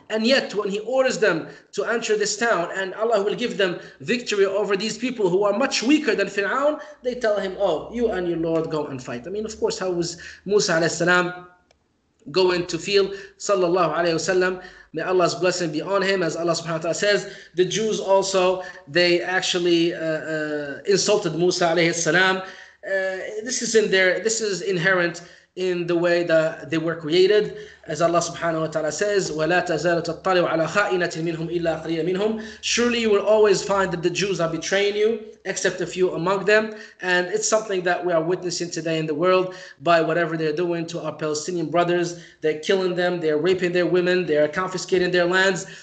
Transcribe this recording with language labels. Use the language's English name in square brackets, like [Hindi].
[English] And yet, when he orders them to enter this town, and Allah will give them victory over these people who are much weaker than Fir'aun, they tell him, "Oh, you and your Lord go and fight." I mean, of course, how was Musa alayhi salam going to feel, sallallahu alayhi wasallam? May Allah's blessing be on him. As Allah subhanahu wa ta'ala says, the Jews also, they actually insulted Musa alayhi salam. This is inherent in the way that they were created. [Arabic] As Allah subhanahu wa ta'ala says, وَلَا تَزَالُ تَطَّلِعُ عَلَى خَائِنَةٍ مِّنْهُمْ إِلَّا قَلِيلًا مِّنْهُمْ. [English] Surely you will always find that the Jews are betraying you, except a few among them. And it's something that we are witnessing today in the world by whatever they're doing to our Palestinian brothers. They're killing them, they're raping their women, they're confiscating their lands.